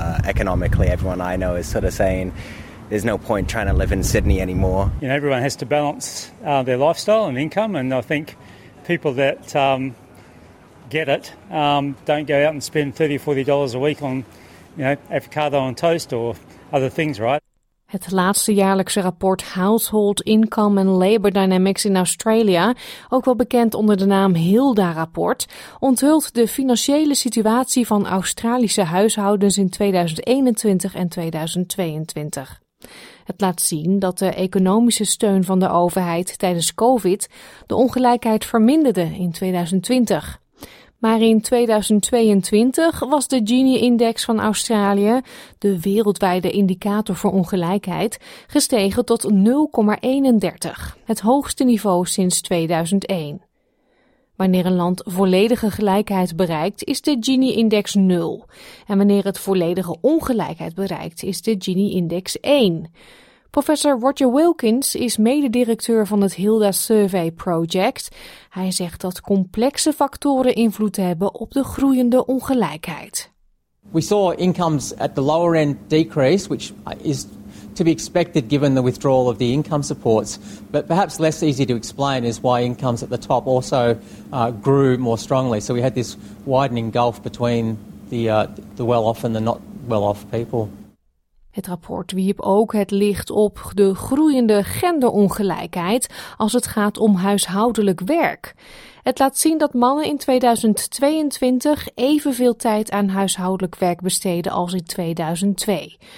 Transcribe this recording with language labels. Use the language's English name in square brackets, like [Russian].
[English] Economically, everyone I know is sort of saying there's no point trying to live in Sydney anymore. You know, everyone has to balance their lifestyle and income, and I think people that get it don't go out and spend $30 or $40 a week on, you know, avocado on toast or other things, right? [Dutch] Het laatste jaarlijkse rapport Household Income and Labour Dynamics in Australia, ook wel bekend onder de naam HILDA-rapport, onthult de financiële situatie van Australische huishoudens in 2021 en 2022. Het laat zien dat de economische steun van de overheid tijdens COVID de ongelijkheid verminderde in 2020. Maar in 2022 was de Gini-index van Australië, de wereldwijde indicator voor ongelijkheid, gestegen tot 0,31, het hoogste niveau sinds 2001. Wanneer een land volledige gelijkheid bereikt, is de Gini-index 0. En wanneer het volledige ongelijkheid bereikt, is de Gini-index 1. Professor Roger Wilkins is mededirecteur van het HILDA Survey Project. Hij zegt dat complexe factoren invloed hebben op de groeiende ongelijkheid. [English] We saw incomes at the lower end decrease, which is to be expected given the withdrawal of the income supports. But perhaps less easy to explain is why incomes at the top also grew more strongly. So we had this widening gulf between the well-off and the not well-off people. [Dutch] Het rapport wierp ook het licht op de groeiende genderongelijkheid als het gaat om huishoudelijk werk. Het laat zien dat mannen in 2022 evenveel tijd aan huishoudelijk werk besteden als in 2002.